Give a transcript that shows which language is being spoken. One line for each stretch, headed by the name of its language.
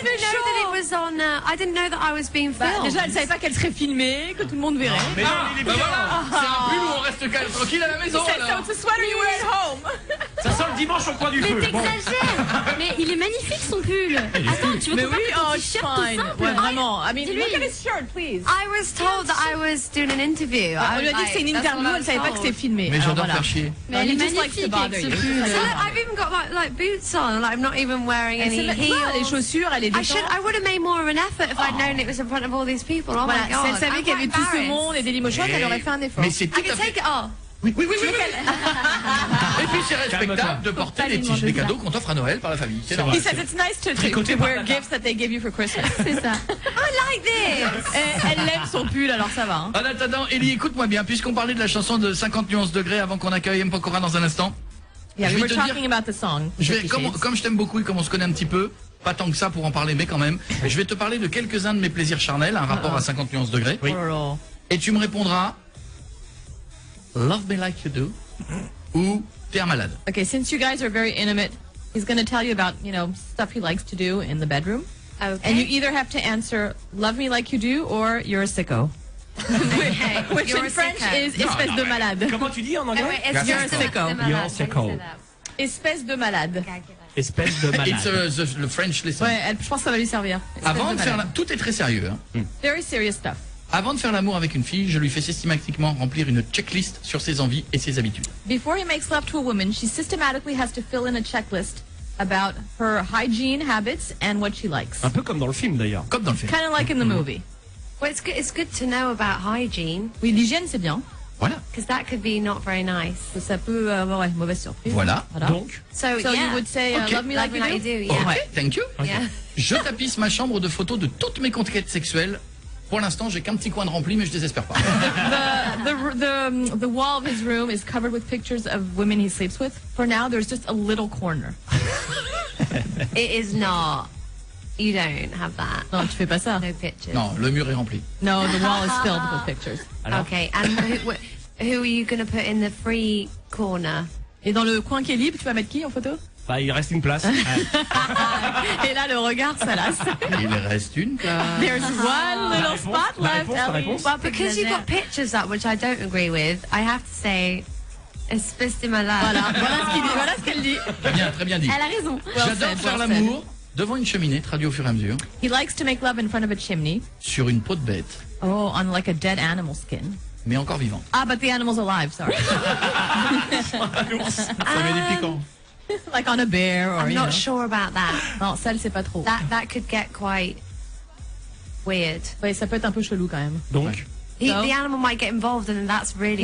English: I didn't know that I was being filmed.
French: Déjà, elle savait pas qu'elle serait filmée, que tout le monde verrait. Mais non, il est bien. C'est un pull où on reste calme, tranquille à la maison.
English: It's a sweater you wear at home.
French: Ça sent le dimanche au coin du feu. Mais t'exagères. Mais il est magnifique son pull. Attends, tu veux qu'on parle de ton t-shirt tout simple? Ouais, vraiment.
English: I mean, look at his shirt, please. I was told that I was doing an interview.
French: On lui a dit que c'est une interview, elle savait pas que c'était filmé. Mais j'adore faire chier. Mais il est magnifique avec ce pull.
English: I've even got like boots on. Like I'm not even wearing any heels.
French: Les chaussures, elle est détente.
English: I would have made more of an effort if I'd known it was in front of all these people. Oh my god.
French: Si elle savait qu'il y avait tout ce monde et des limochettes, elle aurait fait un effort. Mais c'est tout.
English: I can take it all.
French: Oui. Et puis c'est respectable de porter des t-shirts, des cadeaux qu'on t'offre à Noël par la famille.
English: He says it's nice to wear gifts that they give you for Christmas.
French: C'est ça.
English: I like this.
French: Elle lève son pull, alors ça va. En attendant, Ellie, écoute-moi bien, puisqu'on parlait de la chanson de 50 nuances degrés avant qu'on accueille M. Pokora dans un instant.
English: Yeah, we were talking about the song.
French: Comme je t'aime beaucoup et comme on se connaît un petit peu, pas tant que ça pour en parler, mais quand même, je vais te parler de quelques-uns de mes plaisirs charnels, un rapport à 50 nuances degrés. Oui. Et tu me répondras.
English: Love me like you do,
French: ou t'es un malade.
English: Okay, since you guys are very intimate, he's going to tell you about, you know, stuff he likes to do in the bedroom. Okay. And you either have to answer love me like you do or you're a sicko. Okay. Which you're in French is
French: espèce de malade. Comment tu dis en anglais?
English: You're a sicko. You're a sicko.
French: Espèce de malade. Espèce de malade.
English: It's the French lesson.
French: Ouais, je pense que ça va lui servir. Avant de faire tout est très sérieux. Hein.
English: Very serious stuff.
French: Avant de faire l'amour avec une fille, je lui fais systématiquement remplir une checklist sur ses envies et ses habitudes.
English: Before he makes love to a woman, she systematically has to fill in a checklist about her hygiene habits and what she likes.
French: Un peu comme dans le film d'ailleurs. Comme dans le film.
English: Kind of like in the movie. Well, it's good to know about hygiene.
French: Oui, l'hygiène c'est bien. Voilà.
English: Because that could be not very nice.
French: Donc, ça peut avoir une mauvaise surprise. Voilà. Donc.
English: So yeah. You would say okay. love me like you do. Yeah. Okay. Thank you. Okay. Yeah.
French: Je tapisse ma chambre de photos de toutes mes conquêtes sexuelles. Pour l'instant, j'ai qu'un petit coin de rempli, mais je désespère pas.
English: The wall of his room is covered with pictures of women he sleeps with. For now, there's just a little corner. It is not. You don't have that.
French: Non, tu fais pas ça.
English: No pictures.
French: Non, le mur est rempli.
English: No, the wall is filled with pictures.
French: Alors?
English: Okay, and who are you going to put in the free corner?
French: Et dans le coin qui est libre, tu vas mettre qui en photo? Bah, il reste une place. Et là, le regard, ça lasse. Il reste une place.
English: There's one little spot left. Well, because you've got pictures up, which I don't agree with, I have to say,
French: espèce de malade. Voilà ce qu'il dit. Voilà ce qu'elle dit. Très bien dit. Elle a raison. J'adore faire l'amour devant une cheminée, traduit au fur et à mesure.
English: He likes to make love in front of a chimney.
French: Sur une peau de bête.
English: Oh, on like a dead animal skin.
French: Mais encore vivant.
English: Ah, but the animal's alive, sorry.
French: Ça met des piquants.
English: Like on a bear or I'm not know. Sure about that.
French: Non, ça, elle sait pas trop.
English: That could get quite weird.
French: Oui, ça peut être un peu chelou quand même. Donc
English: the animal might get involved and that's really